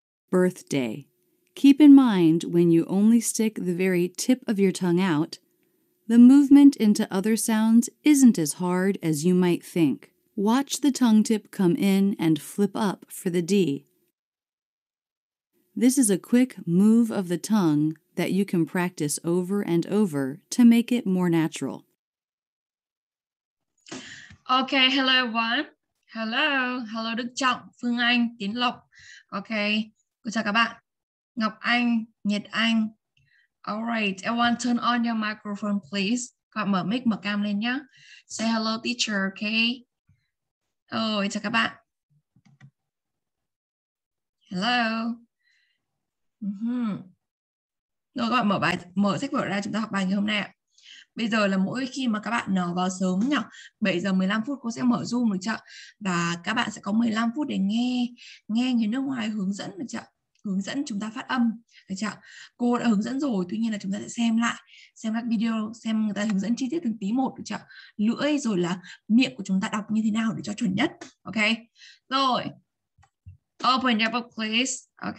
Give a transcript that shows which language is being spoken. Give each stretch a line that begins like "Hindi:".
English: Birthday. Keep in mind, when you only stick the very tip of your tongue out, the movement into other sounds isn't as hard as you might think. Watch the tongue tip come in and flip up for the D. This is a quick move of the tongue that you can practice over and over to make it more natural. Okay, hello everyone. Hello. Hello Đức Trọng, Phương Anh, Tiến Lộc. Okay.
Vietnamese: Chào các bạn, Ngọc Anh, Nhật Anh.
English: All right, everyone turn on your microphone, please.
Vietnamese: Các bạn mở mic, mở cam lên nhé.
English: Say hello, teacher, okay?
Vietnamese: Oh, chào các bạn.
English: Hello.
Vietnamese: Rồi, các bạn mở sách vở ra, chúng ta học bài ngày hôm nay ạ. Bây giờ là mỗi khi mà các bạn nở vào sớm nhỉ, 7 giờ 15 phút cô sẽ mở Zoom được chưa? Và các bạn sẽ có 15 phút để nghe người nước ngoài hướng dẫn được chưa? Hướng dẫn chúng ta phát âm, được chưa? Cô đã hướng dẫn rồi, tuy nhiên là chúng ta sẽ xem các video, xem người ta hướng dẫn chi tiết từng tí một, được chưa? Lưỡi rồi là miệng của chúng ta đọc như thế nào để cho chuẩn nhất, ok?
English: Rồi, open your book please, ok?